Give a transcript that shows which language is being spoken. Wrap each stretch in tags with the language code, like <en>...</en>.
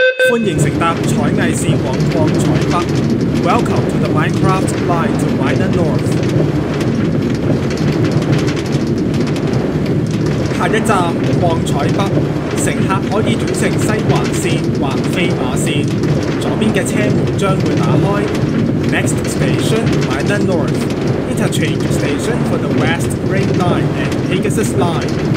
<zh>欢迎乘搭彩艺线往旺彩北。</zh> <en>Welcome to the Minecraft line to Minor North.</en> <zh>下一站旺彩北，乘客可以转乘西环线或飞马线，左边的车门将会打开。</zh> <en>Next station, Minor North. Interchange station for the West Ring Line and Pegasus Line.</en>